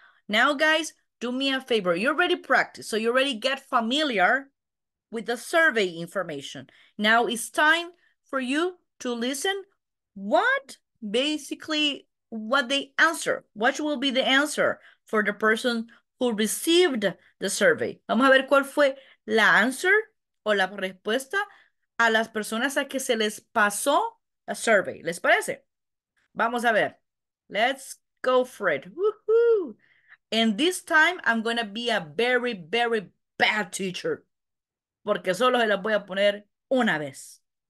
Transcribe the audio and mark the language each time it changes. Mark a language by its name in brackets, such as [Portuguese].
[English] Now, guys, do me a favor. You already practiced, so you already get familiar with the survey information. Now it's time for you to listen what they answer. What will be the answer for the person who received the survey? [Spanish] Vamos a ver cuál fue la answer o la respuesta a las personas a que se les pasó a survey. ¿Les parece? Vamos a ver. [English] Let's go for it. [Spanish] Woohoo! [English] And this time I'm going to be a very, very bad teacher. [Spanish] Porque solo se la voy a poner una vez.